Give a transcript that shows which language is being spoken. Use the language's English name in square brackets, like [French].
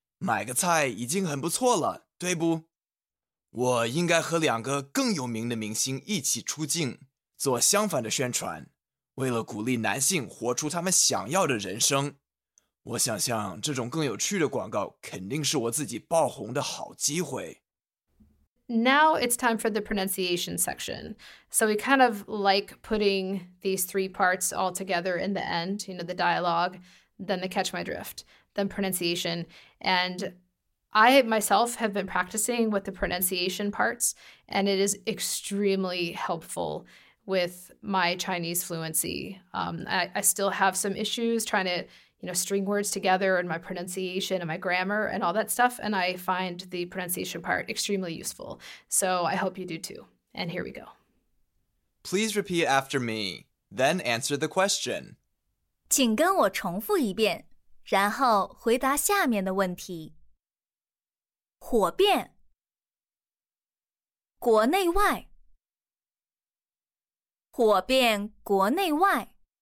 [Chinese] 买个菜已经很不错了，对不？我应该和两个更有名的明星一起出镜，做相反的宣传，为了鼓励男性活出他们想要的人生。我想象这种更有趣的广告肯定是我自己爆红的好机会。 [English] Now it's time for the pronunciation section. So we kind of like putting these three parts all together in the end, you know, the dialogue, then the catch my drift, then pronunciation. And I myself have been practicing with the pronunciation parts, and it is extremely helpful with my Chinese fluency. I still have some issues trying to, you know, string words together and my pronunciation and my grammar and all that stuff. And I find the pronunciation part extremely useful. So I hope you do too. And here we go. Please repeat after me, then answer the question. [Chinese] 请跟我重复一遍，然后回答下面的问题。火变，国内外，火变国内外。